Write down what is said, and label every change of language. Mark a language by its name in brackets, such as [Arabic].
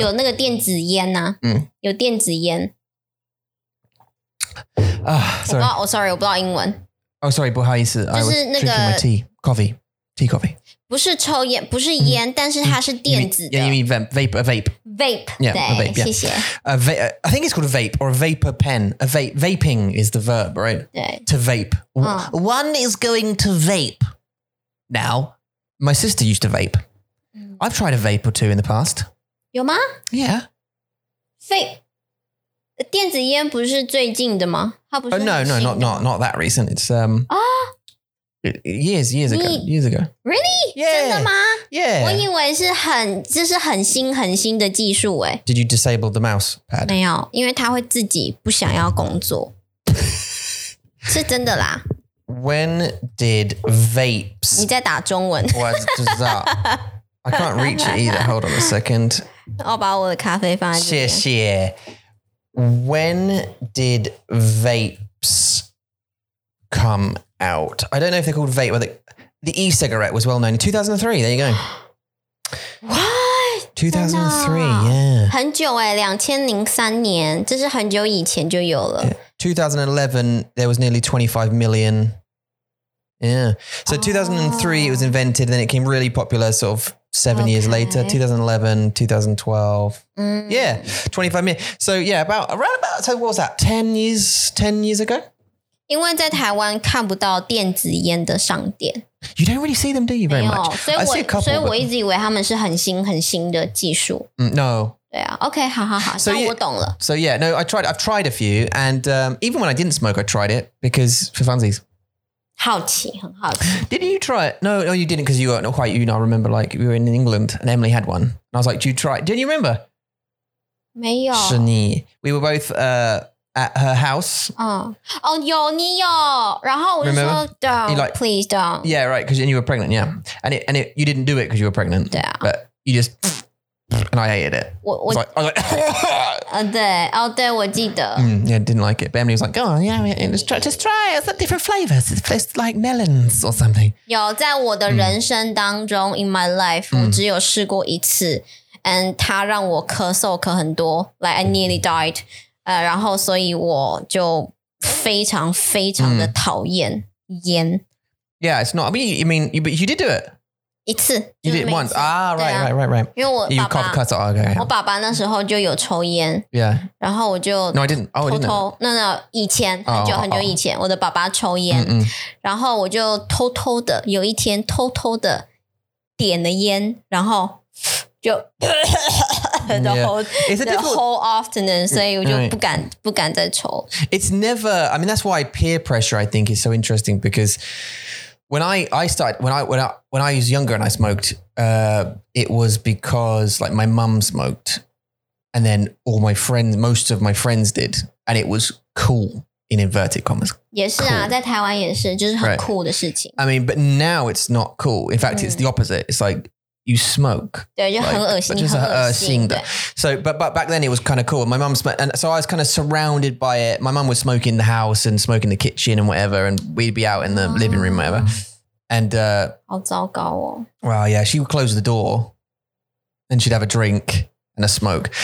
[Chinese] 有那个电子烟啊、有电子烟。 [English] Sorry. [Chinese] 我不知道英文。 [English] Oh, sorry, [Chinese] 不好意思。就是那个 [English] tea coffee. [Chinese] 不是抽烟，不是烟，但是它是电子的。 [English] Yeah, you mean vape. A vape. Vape. Yeah, a vape. Yeah. [Chinese] 谢谢。 [English] I think it's called a vape or a vapor pen. A vape. Vaping is the verb, right? [Chinese] 对。 [English] To vape. One is going to vape. Now, my sister used to vape. I've tried a vape or two in the past. [Chinese] 有吗？ [English] Yeah. [Chinese] Vape. 电子烟不是最近的吗？它不是很新的吗？ [English] No, not that recent. It's, Years ago. Really? Yeah. [Chinese] 真的吗? [English] Yeah. [Chinese] 我以为是很,就是很新很新的技术耶。 [English] Did you disable the mouse pad? [Chinese] 没有,因为它会自己不想要工作。是真的啦。 [English] When did vapes... [Chinese] 你在打中文。 [English] Was that? I can't reach it either. Hold on a second. [Chinese] 我把我的咖啡放在这边。谢谢。 [English] When did vapes come out? Out. I don't know if they're called vape, but the e-cigarette was well known. 2003, there you go. What? 2003, yeah. [Chinese] 很久耶 ,2003 年,这是很久以前就有了。 [English] 2011, there was nearly 25 million. Yeah. So 2003, it was invented, then it came really popular sort of seven years later. 2011, 2012. Yeah, 25 million. So yeah, around about, so what was that, 10 years ago? [Chinese] 因为在台湾看不到电子烟的商店。 [English] You don't really see them, do you, very much? [Chinese] 所以我一直以为他们是很新很新的技术。 [English] No. [Chinese] 对啊 ,OK, 好好好 [English] so, [Chinese] 那我懂了。 [English] So yeah, no, I've tried a few, and even when I didn't smoke, I tried it, because for funsies. [Chinese] 好奇,很好奇。 [English] Didn't you try it? No, you didn't, because you weren't quite, you know, I remember like, we were in England, and Emily had one. And I was like, do you try it? Didn't you remember? [Chinese] 没有。是你。 [English] We were both, at her house. [Chinese] Oh, oh, 有你有，然后我就说 [English] don't, like, please don't. Yeah, right, because you were pregnant, yeah. And it, you didn't do it because you were pregnant. Yeah. But you just, and I hated it. I was like, [Chinese] 对，哦，对，我记得。 [English] Yeah, didn't like it. But Emily was like, oh, yeah, just try it. It's a different flavors. It's like melons or something. [Chinese] 有，在我的人生当中 [English] in my life, [Chinese] 我只有试过一次。 And 他让我咳嗽咳很多 [English] like I nearly died. [Chinese] 然后所以我就非常非常的讨厌烟。 [English] Yeah, it's not, I mean, you did do it. [Chinese] 一次。 [English] You did it once. Ah, right. [Chinese] 因为我爸爸。 [English] You cough, cut, okay. [Chinese] 我爸爸那时候就有抽烟。 [English] Yeah. [Chinese] 然后我就。 [English] No, I didn't. Oh, I didn't. [Chinese] 偷偷。 [English] No, [Chinese] 以前很久很久以前我的爸爸抽烟。然后我就偷偷的有一天偷偷的点了烟然后。就 [English] the whole afternoon, [Chinese] 所以我就不敢, right. 不敢再抽。 [English] It's never, I mean, that's why peer pressure, I think, is so interesting because when I was younger and I smoked, it was because like my mum smoked and then all my friends, most of my friends did. And it was cool, in inverted commas. [Chinese] 也是啊, 在台灣也是, 就是很酷的事情。 [English] I mean, but now it's not cool. In fact, it's the opposite. It's like,You smoke. [Chinese] 对，就很恶心，就是很恶心的。 [English] So, but back then it was kind of cool. My mum smoked, and so I was kind of surrounded by it. My mum was smoking in the house and smoking the kitchen and whatever, and we'd be out in the living room, whatever. And, [Chinese] 好糟糕哦。 [English] Well, yeah, she would close the door and she'd have a drink and a smoke.